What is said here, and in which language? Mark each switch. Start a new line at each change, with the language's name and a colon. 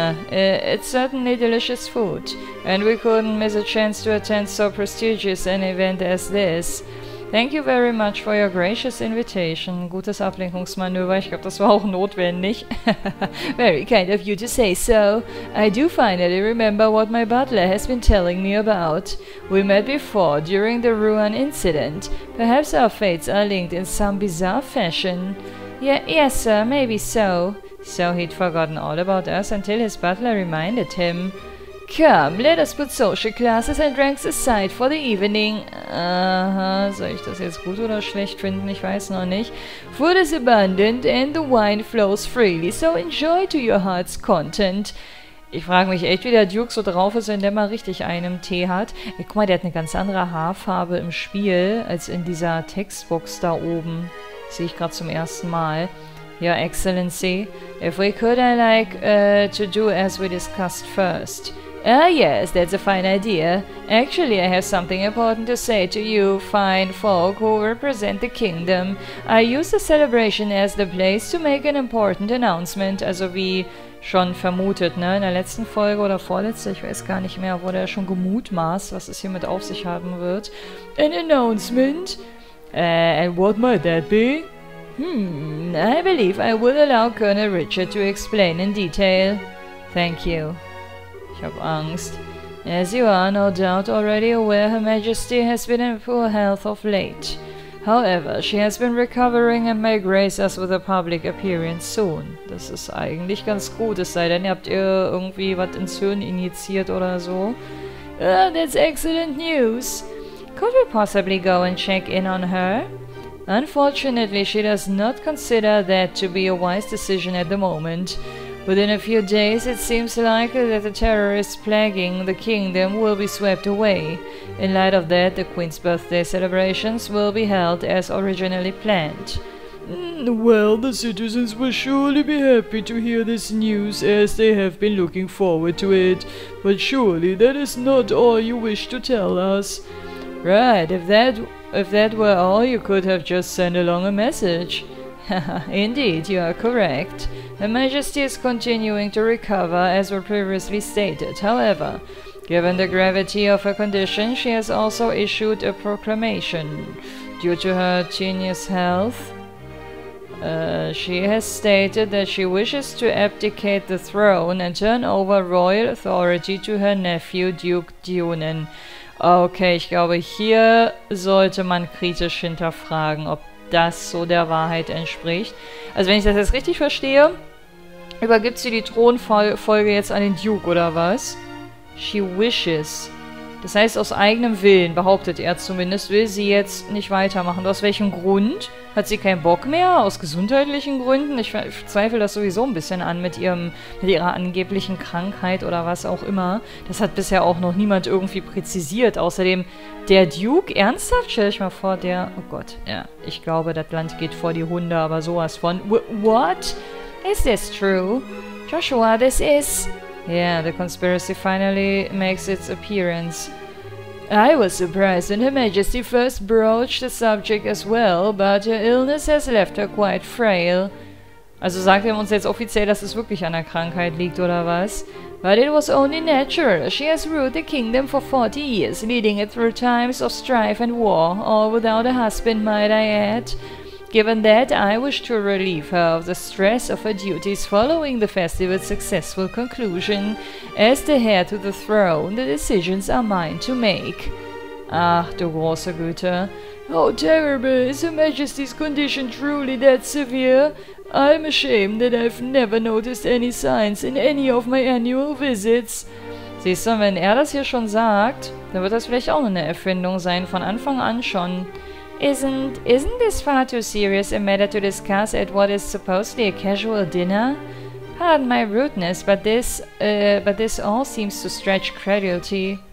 English: It's certainly delicious food, and we couldn't miss a chance to attend so prestigious an event as this. Thank you very much for your gracious invitation.
German: Gutes Ablenkungsmanöver, ich glaube, das war auch notwendig.
English: Very kind of you to say so. I do finally remember what my butler has been telling me about. We met before, during the Ruan incident. Perhaps our fates are linked in some bizarre fashion. Yes, sir, maybe so. So he'd forgotten all about us until his butler reminded him. Come, let us put social classes and ranks aside for the evening.
German: Soll ich das jetzt gut oder schlecht finden? Ich weiß noch nicht.
English: Food is abundant and the wine flows freely, so enjoy to your heart's content.
German: Ich frage mich echt, wie der Duke so drauf ist, wenn der mal richtig einen Tee hat. Ey, guck mal, der hat eine ganz andere Haarfarbe im Spiel als in dieser Textbox da oben. Sehe ich gerade zum ersten Mal.
English: Your Excellency, if we could, I like to do as we discussed first. Yes, that's a fine idea. Actually, I have something important to say to you fine folk who represent the kingdom. I use the celebration as the place to make an important announcement.
German: Also wie schon vermutet, ne? In der letzten Folge oder vorletzte, ich weiß gar nicht mehr, wurde er schon gemutmaßt, was es hiermit auf sich haben wird.
English: An announcement? And what might that be? I believe I will allow Colonel Richard to explain in detail. Thank you.
German: Ich hab Angst.
English: As you are no doubt already aware, Her Majesty has been in poor health of late. However, she has been recovering and may grace us with a public appearance soon.
German: Das ist eigentlich ganz gut, es sei denn, habt ihr irgendwie was ins Hirn injiziert oder so.
English: That's excellent news. Could we possibly go and check in on her? Unfortunately, she does not consider that to be a wise decision at the moment. Within a few days, it seems likely that the terrorists plaguing the kingdom will be swept away. In light of that, the Queen's birthday celebrations will be held as originally planned. Well, the citizens will surely be happy to hear this news, as they have been looking forward to it. But surely that is not all you wish to tell us. Right, if that were all, you could have just sent along a message. Indeed, you are correct. Her Majesty is continuing to recover, as were previously stated. However, given the gravity of her condition, she has also issued a proclamation. Due to her tenuous health, she has stated that she wishes to abdicate the throne and turn over royal authority to her nephew, Duke Dunan.
German: Okay, ich glaube, hier sollte man kritisch hinterfragen, ob das so der Wahrheit entspricht. Also wenn ich das jetzt richtig verstehe, übergibt sie die Thronfolge jetzt an den Duke, oder was?
English: She wishes.
German: Das heißt, aus eigenem Willen, behauptet er zumindest, will sie jetzt nicht weitermachen. Aus welchem Grund? Hat sie keinen Bock mehr? Aus gesundheitlichen Gründen? Ich zweifle das sowieso ein bisschen an mit ihrer angeblichen Krankheit oder was auch immer. Das hat bisher auch noch niemand irgendwie präzisiert. Außerdem, der Duke? Ernsthaft? Stell ich mal vor, der... Oh Gott, ja. Ich glaube, das Land geht vor die Hunde, aber sowas von...
English: What? Is this true? Joshua, this is... Yeah, the conspiracy finally makes its appearance. I was surprised when Her Majesty first broached the subject as well, but her illness has left her quite frail.
German: Also sagt er uns jetzt offiziell, dass es wirklich an der Krankheit liegt, oder was?
English: But it was only natural. She has ruled the kingdom for 40 years, leading it through times of strife and war, all without a husband, might I add. Given that, I wish to relieve her of the stress of her duties following the festival's successful conclusion. As the heir to the throne, the decisions are mine to make.
German: Ach, du große Güte.
English: How terrible! Is Her Majesty's condition truly that severe? I'm ashamed that I've never noticed any signs in any of my annual visits.
German: Siehst du, wenn er das hier schon sagt, dann wird das vielleicht auch eine Erfindung sein, von Anfang an schon.
English: Isn't this far too serious a matter to discuss at what is supposedly a casual dinner? Pardon my rudeness, but this all seems to stretch credulity.